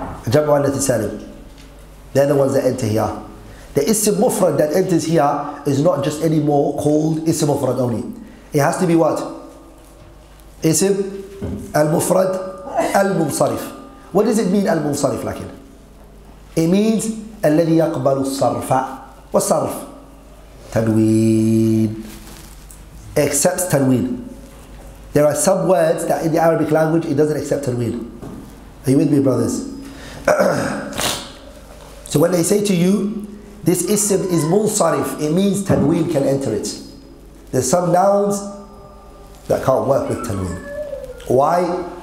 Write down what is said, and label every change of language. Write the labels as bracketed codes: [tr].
[ar] Jam'u al-natisalim. [en] They're the ones that enter here. The ism mufrad that enters here is not just anymore called ism mufrad only. It has to be what? [ar] Ism al-mufrad al-munsarif. [en] What does it mean al-munsarif like it? [ar] It means الَّذِي يَقْبَلُ الصَّرْفَ وَالصَّرْفَ تَنْوِين. [en] Accepts tanween. There are some words that in the Arabic language it doesn't accept tanween. Are you with me, brothers? So when they say to you, this ism is munsarif, it means tanween can enter it. There's some nouns that can't work with tanween. Why?